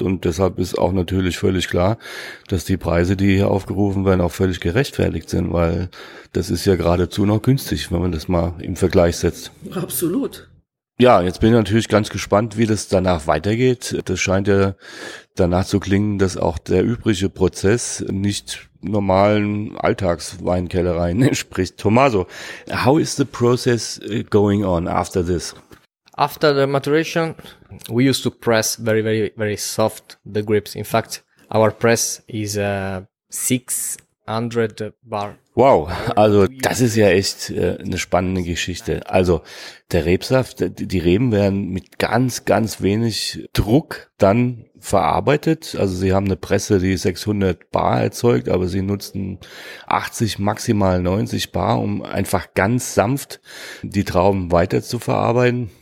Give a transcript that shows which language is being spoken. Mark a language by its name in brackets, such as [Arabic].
[German] Und deshalb ist auch natürlich völlig klar, dass die Preise, die hier aufgerufen werden, auch völlig gerechtfertigt sind, weil das ist ja geradezu noch günstig, wenn man das mal im Vergleich setzt. Absolut. Ja, jetzt bin ich natürlich ganz gespannt, wie das danach weitergeht. Das scheint ja danach zu klingen, dass auch der übrige Prozess nicht normalen Alltagsweinkellereien entspricht. [English] Tommaso, how is the process going on after this? After the maturation, we used to press very, very, very soft the grapes. In fact, our press is 6 100 bar. [German] Wow, also das ist ja echt eine spannende Geschichte. Also der Rebsaft, die Reben werden mit ganz, ganz wenig Druck dann verarbeitet. Also sie haben eine Presse, die 600 bar erzeugt, aber sie nutzen 80, maximal 90 bar, um einfach ganz sanft die Trauben weiter zu verarbeiten.